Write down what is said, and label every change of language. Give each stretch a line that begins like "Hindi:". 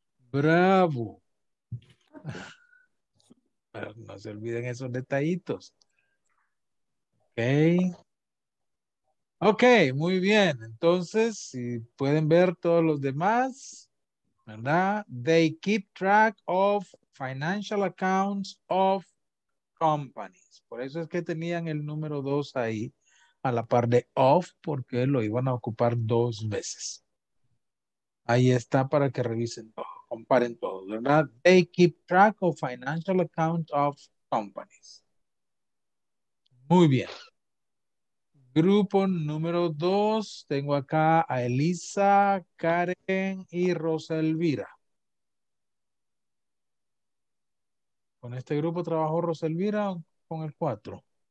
Spanish: Bravo. Pero no se olviden esos detallitos. Ok. Ok, muy bien. Entonces, si pueden ver todos los demás, ¿verdad?
English: They keep track of financial accounts of companies.
Spanish: Por eso es que tenían el número 2 ahí, a la par de of, porque lo iban a ocupar dos veces. Ahí está para que revisen todo, comparen todo, ¿verdad?
English: They keep track of financial accounts of companies.
Spanish: Muy bien. Grupo número 2, tengo acá a Elisa, Karen y Rosa Elvira. ¿Con este grupo trabajó Rosa Elvira o con el 4?